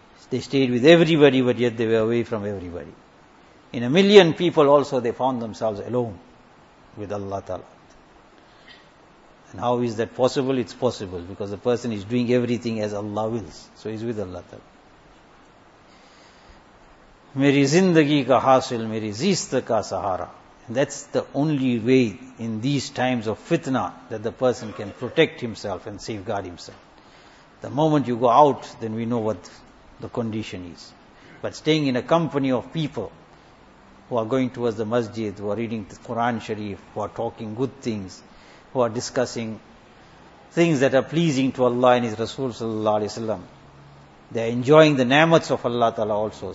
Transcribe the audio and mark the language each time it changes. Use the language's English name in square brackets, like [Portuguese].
[English] They stayed with everybody, but yet they were away from everybody. In a million people also they found themselves alone with Allah Ta'ala. And how is that possible? It's possible because the person is doing everything as Allah wills. So he's with Allah Ta'ala. [Urdu] میری زندگی کا حاصل, میری زیست کا سہارا. [English] That's the only way in these times of fitna that the person can protect himself and safeguard himself. The moment you go out, then we know what the condition is. But staying in a company of people who are going towards the masjid, who are reading the Quran Sharif, who are talking good things, who are discussing things that are pleasing to Allah and His Rasul sallallahu alayhi wa sallam, they are enjoying the namats of Allah ta'ala also.